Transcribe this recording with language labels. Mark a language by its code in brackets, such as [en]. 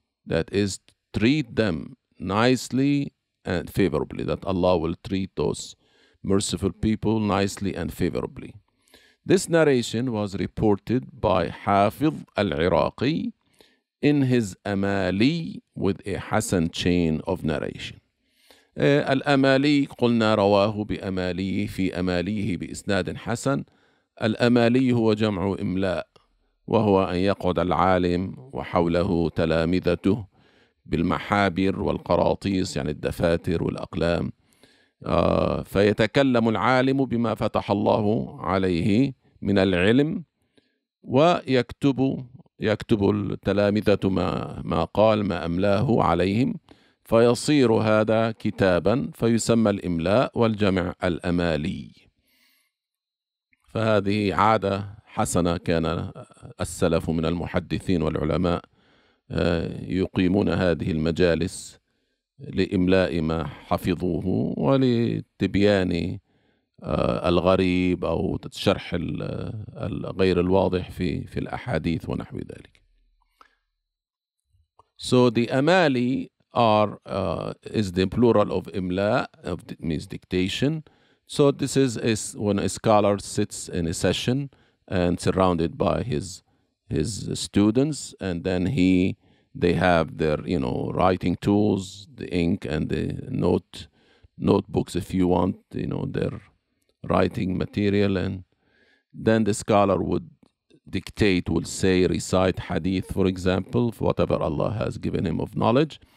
[en] That is, treat them nicely and favorably. That Allah will treat those merciful people nicely and favorably. This narration was reported by Hafiz al-Iraqi in his amali with a hasan chain of narration. [ar] الأمالي قلنا رواه بأمالي في أماليه بإسناد حسن. الأمالي هو جمع إملاء، وهو أن يقعد العالم وحوله تلامذته بالمحابر والقراطيس، يعني الدفاتر والأقلام، فيتكلم العالم بما فتح الله عليه من العلم، ويكتب التلامذة ما قال، ما أملاه عليهم، فيصير هذا كتابا، فيسمى الإملاء والجمع الأمالي. فهذه عادة حسنة كان السلف من المحدثين والعلماء يقيمون هذه المجالس لإملاء ما حفظوه، ولتبيان الغريب أو شرح الغير الواضح في الأحاديث ونحو ذلك. [en] So the أمالي is the plural of imla, of means dictation. So this is when a scholar sits in a session and surrounded by his students, and then they have their, you know, writing tools, the ink and the notebooks, if you want, you know, their writing material, and then the scholar would dictate, would say, recite hadith, for example, for whatever Allah has given him of knowledge.